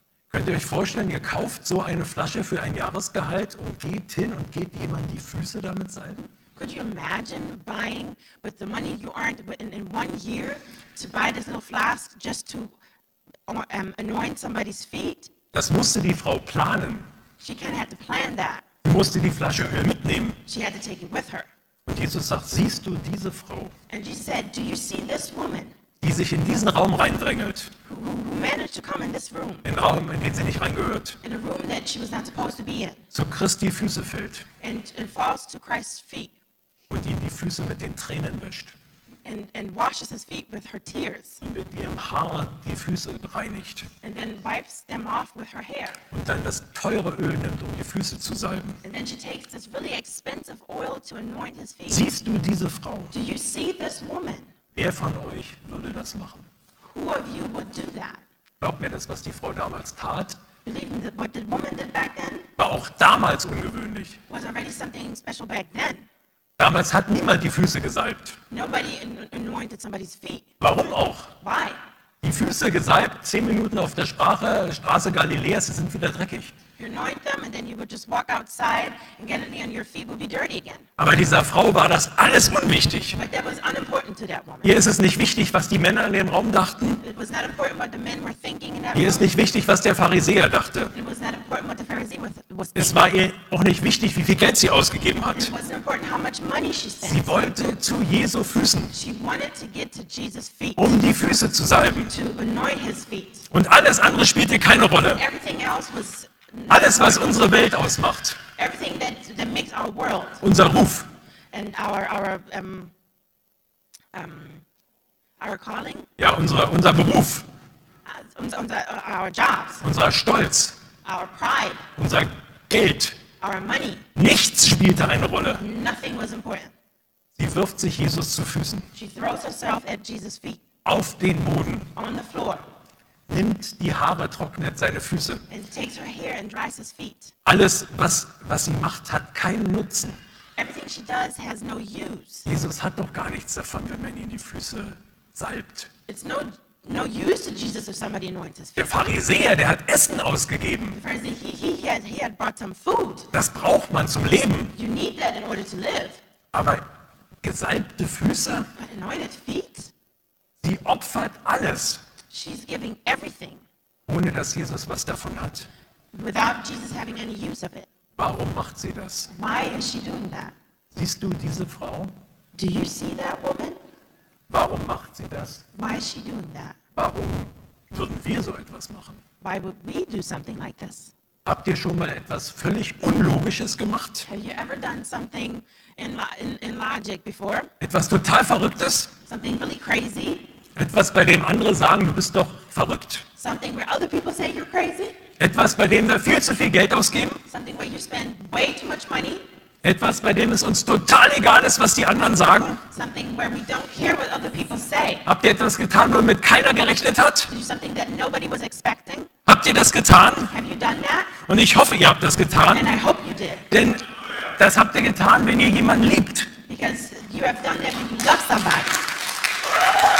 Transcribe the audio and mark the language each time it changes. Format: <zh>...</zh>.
<de>Könnt ihr euch vorstellen, ihr kauft so eine Flasche für ein Jahresgehalt und geht hin und geht jemand die Füße damit salben?</de> <en>Could you imagine buying with the money you earned in one year to buy this little flask just to anoint somebody's feet?</en> <de>Das musste die Frau planen.</de> <en>She kind of had to plan that.</en> <de>Sie musste die Flasche Öl mitnehmen.</de> <en>She had to take it with her.</en> <de>Und Jesus sagt, siehst du diese Frau?</de> <en>And she said, do you see this woman?</en> <de>Die sich in diesen Raum reindrängelt.</de> <en>Who managed to come in this room?</en> <de>In Raum, in den sie nicht reingehört.</de> <en>In a room that she was not supposed to be in.</en> <de>Zu Christi Füße fällt.</de> <en>And falls to Christ's feet.</en> <de>Und ihm die Füße mit den Tränen wischt.</de> <en>And washes his feet with her tears.</en> <de>Und mit ihrem Haar die Füße reinigt.</de> <en>And then wipes them off with her hair.</en> <de>Und dann das teure Öl nimmt, um die Füße zu salben.</de> <en>And then she takes this really expensive oil to anoint his feet.</en> <de>Siehst du diese Frau?</de> <en>Do you see this woman?</en> <de>Wer von euch würde das machen?</de> <en>Who of you would do that?</en> <de>Glaubt mir, das, was die Frau damals tat,</de> <en>believe that what the woman did back then,</en> <de>war auch damals ungewöhnlich.</de> <en>Was already something special back then.</en> <de>Damals hat niemand die Füße gesalbt.</de> <en>Nobody anointed somebody's feet.</en> <de>Warum auch?</de> <en>Why?</en> <de>Die Füße gesalbt, 10 Minuten auf der Straße Galiläa, sie sind wieder dreckig.</de> <en>You anoint them and then you would just walk outside and get on your feet would be dirty again.</en> <de>Aber dieser Frau war das alles unwichtig.</de> <en>But that was unimportant to that woman.</en> <de>Hier ist es nicht wichtig, was die Männer in dem Raum dachten.</de> <en>It was not important what the men were thinking in that room.</en> <de>Hier ist nicht wichtig, was der Pharisäer dachte.</de> <en>It was not important what the Pharisee was thinking.</en> <de>Es war ihr auch nicht wichtig, wie viel Geld sie ausgegeben hat.</de> <en>It wasn't important how much money she spent.</en> <de>Sie wollte zu Jesu Füßen.</de> <en>She wanted to get to Jesus' feet.</en> <de>Um die Füße zu salben.</de> <en>To anoint his feet.</en> <de>Und alles andere spielte keine Rolle.</de> <en>Everything else was</en> <de>alles, was unsere Welt ausmacht.</de> <en>Everything that makes our world.</en> <de>Unser Ruf.</de> <en>And our calling.</en> <de>Ja, unser Beruf.</de> <en>Our jobs.</en> <de>Unser Stolz.</de> <en>Our pride.</en> <de>Unser Geld.</de> <en>Our money.</en> <de>Nichts spielte eine Rolle.</de> <en>Nothing was important.</en> <de>Sie wirft sich Jesus zu Füßen.</de> <en>She throws herself at Jesus' feet.</en> <de>Auf den Boden.</de> <en>On the floor.</en> <de>Nimmt die Haare, trocknet seine Füße.</de> <en>And takes her hair and dries his feet.</en> <de>Alles, was sie macht, hat keinen Nutzen.</de> <en>Everything she does has no use.</en> <de>Jesus hat doch gar nichts davon, wenn man ihm die Füße salbt.</de> <en>It's no use to Jesus if somebody anoints his feet.</en> <de>Der Pharisäer, der hat Essen ausgegeben.</de> <en>The Pharisee, he had brought some food.</en> <de>Das braucht man zum Leben.</de> <en>You need that in order to live.</en> <de>Aber gesalbte Füße?</de> <en>But anointed feet?</en> <de>Sie opfert alles.</de> <en>She's giving everything.</en> <de>Ohne dass Jesus was davon hat.</de> <en>Without Jesus having any use of it.</en> <de>Warum macht sie das?</de> <en>Why is she doing that?</en> <de>Siehst du diese Frau?</de> <en>Do you see that woman?</en> <de>Warum macht sie das?</de> <en>Why is she doing that?</en> <de>Warum würden wir so etwas machen?</de> <en>Why would we do something like this?</en> <de>Habt ihr schon mal etwas völlig Unlogisches gemacht?</de> <en>Have you ever done something in logic before?</en> <de>Etwas total Verrücktes?</de> <en>Something really crazy?</en> <de>Etwas, bei dem andere sagen, du bist doch verrückt.</de> <en>Something where other people say you're crazy.</en> <de>Etwas, bei dem wir viel zu viel Geld ausgeben.</de> <en>Something where you spend way too much money.</en> <de>Etwas, bei dem es uns total egal ist, was die anderen sagen.</de> <en>Something where we don't care what other people say.</en> <de>Habt ihr etwas getan, womit keiner gerechnet hat?</de> <en>Something that nobody was expecting.</en> <de>Habt ihr das getan?</de> <en>Have you done that?</en> <de>Und ich hoffe, ihr habt das getan.</de> <en>And I hope you did.</en> <de>Denn das habt ihr getan, wenn ihr jemanden liebt.</de> <en>Because you have done that when you love somebody.</en>